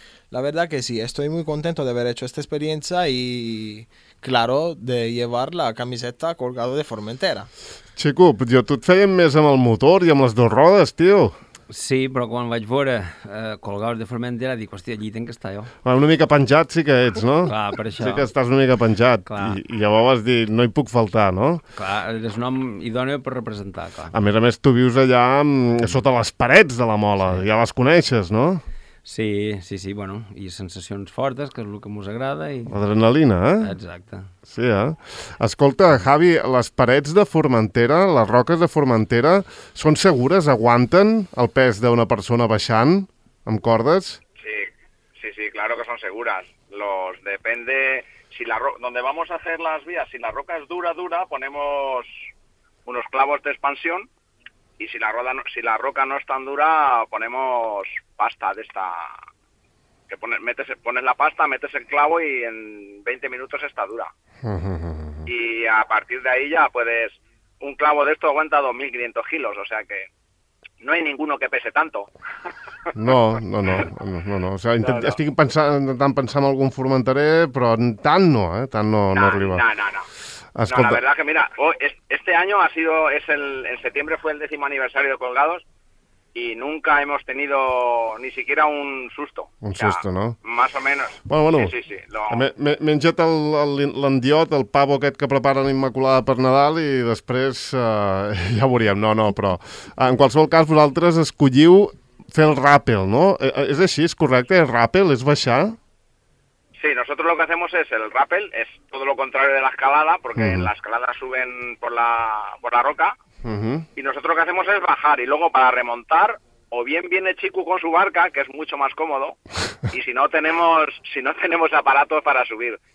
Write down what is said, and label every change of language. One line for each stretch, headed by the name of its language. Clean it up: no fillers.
Spanish: La verdad que sí, estoy muy contento de haber hecho esta experiencia y claro, de llevar la camiseta colgada de Formentera.
Catalan: Chico, yo tú te feien més amb el motor y amb les dos rodes, tío. Sí, però quan vaig veure Colgados de Formentera, dic, hòstia, allí tinc que estar jo. Una mica penjat sí que ets, no? Clar, per això. Sí que estàs una mica penjat. I llavors vas dir, no hi puc faltar, no? Clar, és un nom idòneo per representar, clar. A més, tu vius allà sota les parets de la Mola, sí. Ja les coneixes, no? Sí, bueno, i sensacions fortes, que és el que ens agrada. I... l'adrenalina, eh? Exacte. Sí, eh? Escolta, Javi, les parets de Formentera, les roques de Formentera, són segures? Aguanten el pes d'una persona baixant amb cordes?
Spanish: Sí, claro que son seguras. Depende... Donde vamos a hacer las vías, si la roca es dura, ponemos unos clavos de expansión. Y si la roca no es tan dura, ponemos pasta de esta... que pones la pasta, metes el clavo y en 20 minutos está dura. Y a partir de ahí ya puedes... Un clavo de esto aguanta 2.500 kilos, o sea que no hay ninguno que pese tanto. No. O sea, no.
Catalan: Estic intentant pensar en algún formenterer, però tant no arriba. No. Escolta.
Spanish: No, la verdad que mira, este año en septiembre fue el 10º aniversario de Colgados y nunca hemos tenido ni siquiera un susto. Un susto, ja, no? Más o menos. Bueno, bueno. Sí, sí, sí. No.
Catalan: M'he menjat l'endiot, el pavo aquest que prepara l'Immaculada per Nadal i després ja ho veuríem. No, no, però en qualsevol cas vosaltres escolliu fer el ràpel, no? És així, és correcte? El ràpel és baixar?
Spanish: Sí, nosotros lo que hacemos es el rappel, es todo lo contrario de la escalada, porque en la escalada suben por la roca, y nosotros lo que hacemos es bajar, y luego para remontar, o bien viene Chiku con su barca, que es mucho más cómodo, y si no tenemos aparatos para subir.